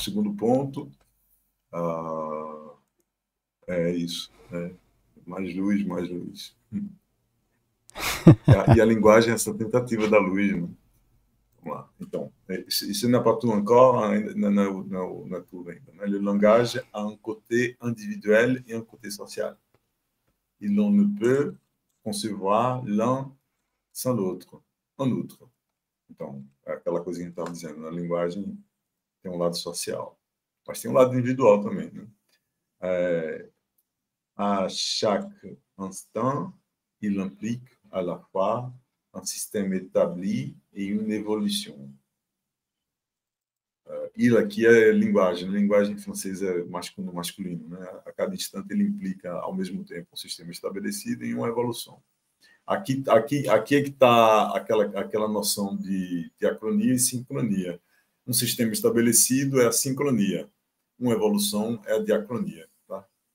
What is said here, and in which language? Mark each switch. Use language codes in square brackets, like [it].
[pt] segundo ponto. É isso, né? Mais luz, mais luz. E a linguagem é essa tentativa da luz, né? Vamos lá. Então, isso não é para tu encore, não é tu ainda. Né? [fr] Le langage a un côté individuel e un côté social. Il ne peut concevoir l'un sans l'autre, un autre. [pt] Então, é aquela coisinha que eu estava dizendo, na linguagem tem um lado social, mas tem um lado individual também. Né? [fr] À chaque instant, il implique à la fois un système établi et une évolution. [pt] Il aqui é linguagem, né? Linguagem francesa é masculino, né? A cada instante ele implica ao mesmo tempo um sistema estabelecido e uma evolução. Aqui é que está aquela noção de diacronia e sincronia. Um sistema estabelecido é a sincronia, uma evolução é a diacronia. Tá?